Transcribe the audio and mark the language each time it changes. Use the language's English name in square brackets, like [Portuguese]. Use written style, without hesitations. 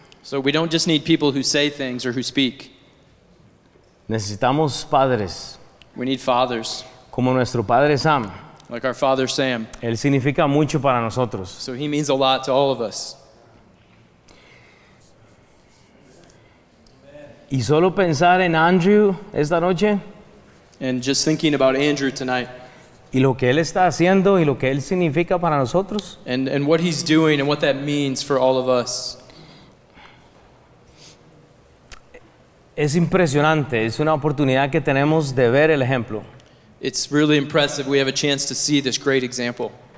[English] So we don't just need people who say things or who speak. [Spanish] Necesitamos padres. [English] We need fathers. [Spanish] Como nuestro padre Sam. [English] Like our father Sam. [Spanish] Él significa mucho para nosotros. [English] So he means a lot to all of us. [Spanish] Y solo pensar en Andrew esta noche. [English] And just thinking about Andrew tonight. [Spanish] Y lo que él está haciendo y lo que él significa para nosotros. [English] And what he's doing and what that means for all of us. [Spanish] Es impresionante. Es una oportunidad que tenemos de ver el ejemplo. [English] It's really impressive. We have a chance to see this great example.